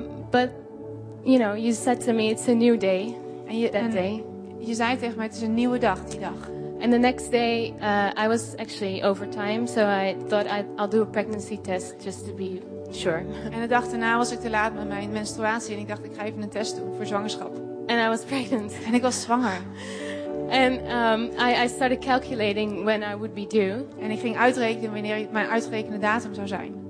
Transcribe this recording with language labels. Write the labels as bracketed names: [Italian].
[English] But you know, you said to me, it's a new day. And day. [Dutch] Je zei tegen mij, het is een nieuwe dag, die dag. [English] And the next day, I was actually overtime, so I thought I'll do a pregnancy test just to be sure. [Dutch] En de dag daarna was ik te laat met mijn menstruatie en ik dacht, ik ga even een test doen voor zwangerschap. [English] And I was pregnant. [Dutch] En ik was zwanger. [English] And I started calculating when I would be due. [Dutch] En ik ging uitrekenen wanneer mijn uitgerekende datum zou zijn.